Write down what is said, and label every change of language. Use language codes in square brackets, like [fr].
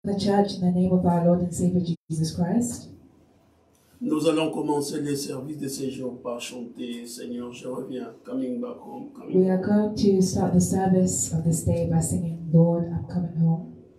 [en] The church in the name of our Lord and Savior Jesus Christ. [fr] Nous allons commencer le service de ce jour par chanter Seigneur, je reviens, [en] coming back home. Coming we are going to start the service of this day by singing, Lord, I'm coming home.